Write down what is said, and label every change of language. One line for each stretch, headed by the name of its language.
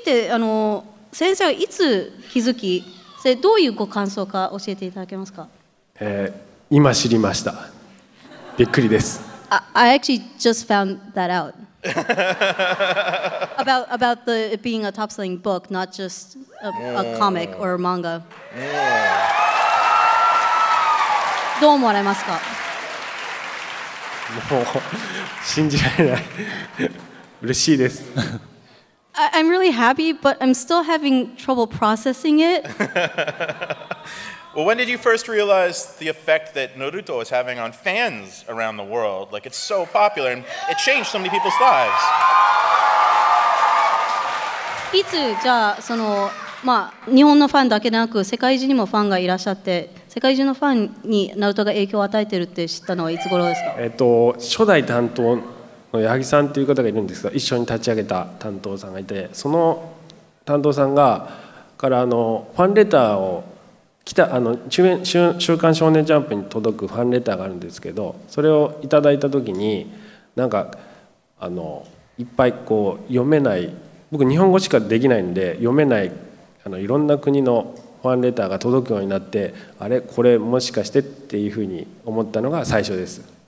Japanese: まあ、ナルトの大成功は、特に北米では、その漫画のジャンルだけでなく、コミックス全体の分野だけでもなく、もう本当、出版されてる書籍全体的にベストセラーでもあったんですよ。それについて、先生はいつ気づき、どういうご感想か教えていただけますか？今知りました。びっくりです。I
English: actually just found that out. about the it being a top selling book, not just a comic or a manga.
Japanese: どう思われますか？もう信じられない。嬉しいです。
English: I'm really happy, but I'm still having trouble processing it. Well, when did you first realize the effect that Naruto is having on fans around the world? Like, it's so popular, and it changed so many people's lives.
Japanese: いつじゃあそのまあ日本のファンだけでなく世界中にもファンがいらっしゃって世界中のファンにナルトが影響を与えてるって知ったのはいつ頃ですか？初代担当の八木さんっていう方がいるんですが一緒に立ち上げた担当さんがいてその担当さんがからあのファンレターを来たあの週刊少年ジャンプに届くファンレターがあるんですけどそれをいただいた時になんかあのいっぱいこう読めない僕日本語しかできないんで読めないあのいろんな国のファンレターが届くようになってあれこれもしかしてっていうふうに思ったのが最初です。